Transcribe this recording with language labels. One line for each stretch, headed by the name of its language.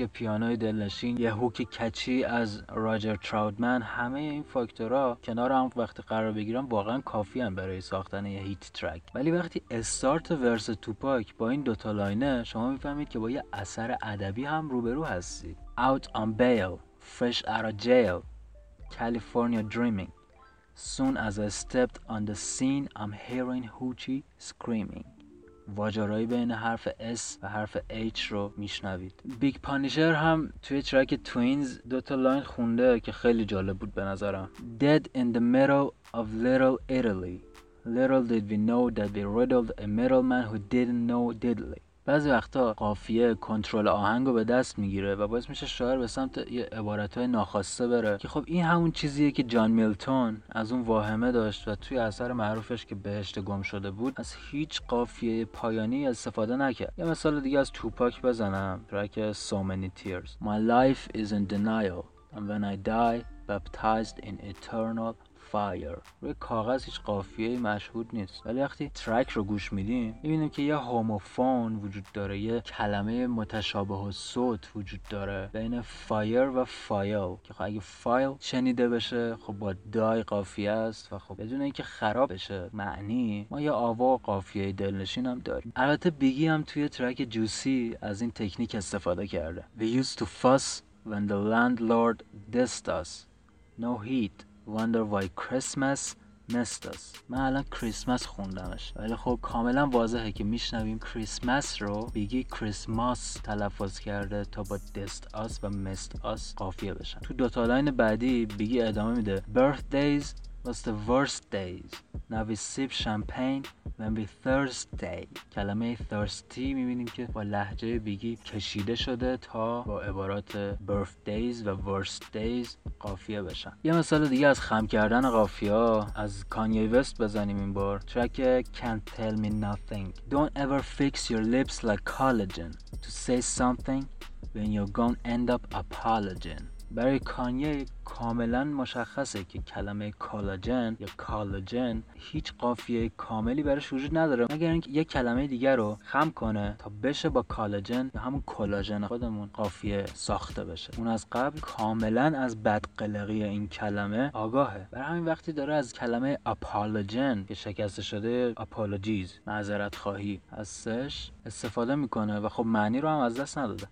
Persian: یه پیانوی دلنشین، یه هوک کچی از راجر تراودمن. همه این فاکتورها کنار هم وقتی قرار بگیرن واقعا کافی هم برای ساختن یه هیت ترک. ولی وقتی استارت ورس توپاک با این دوتا لاینه، شما میفهمید که با یه اثر ادبی هم روبرو هستید.
English: Out on bail, fresh out of jail, California dreaming. Soon as I stepped on the scene, I'm hearing hoochie screaming.
Persian: واژه‌آرایی بین حرف S و حرف H رو میشنوید. بیگ پانیشر هم توی ترک توینز دو تا لاین خونده که خیلی جالب بود به نظرم:
English: Dead in the middle of little Italy. Little did we know that we riddled a middleman who didn't know diddly.
Persian: بعضی وقتا قافیه کنترل آهنگو به دست میگیره و باعث میشه شاعر به سمت یه عبارتای ناخواسته بره، که خب این همون چیزیه که جان میلتون از اون واهمه داشت و توی اثر معروفش که بهشت گم شده بود از هیچ قافیه پایانی استفاده نکرد. یه مثال دیگه از توپاک بزنم، ترک
English: So Many Tears: My life is in denial and when I die baptized in eternal fire.
Persian: روی کاغذ هیچ قافیه مشهود نیست، ولی وقتی ترک رو گوش میدیم میبینیم که یه هوموفون وجود داره، یه کلمه متشابه و صوت وجود داره بین فایر و فایل، که خب اگه فایل شنیده بشه خب با دای قافیه است و خب بدون اینکه خراب بشه معنی، ما یه آوا قافیه دلنشین هم داریم. البته بیگی هم توی ترک جوسی از این تکنیک استفاده کرده:
English: We used to fuss when the landlord dissed us. No heat. Wonder why Christmas missed us.
Persian: من الان کریسمس خوندمش، ولی خب کاملا واضحه که میشنویم کریسمس رو بیگی کریسماس تلفظ کرده تا با دست آس و مست آس قافیه بشن. تو دوتا لاین بعدی بیگی ادامه میده:
English: Birthdays was the worst days. Now we sip champagne when we thirsty.
Persian: کلمه thirsty میبینیم که با لحجه بیگی کشیده شده تا با عبارات birthdays و worst days قافیه بشن. یه مثال دیگه از خم کردن قافیه ها از کانی وست بزنیم این بار، ترک
English: Can't Tell Me Nothing: Don't ever fix your lips like collagen to say something when you're gonna end up apologizing.
Persian: برای کانیه کاملا مشخصه که کلمه کالاجن یا کالاجن هیچ قافیه کاملی براش وجود نداره، مگر اینکه یک کلمه دیگر رو خم کنه تا بشه با کالاجن یا همون کالاجن خودمون قافیه ساخته بشه. اون از قبل کاملا از بدقلقی این کلمه آگاهه، برای همین وقتی داره از کلمه اپالاجن که شکسته شده اپالوجیز معذرت خواهی هستش استفاده میکنه و خب معنی رو هم از دست نداده.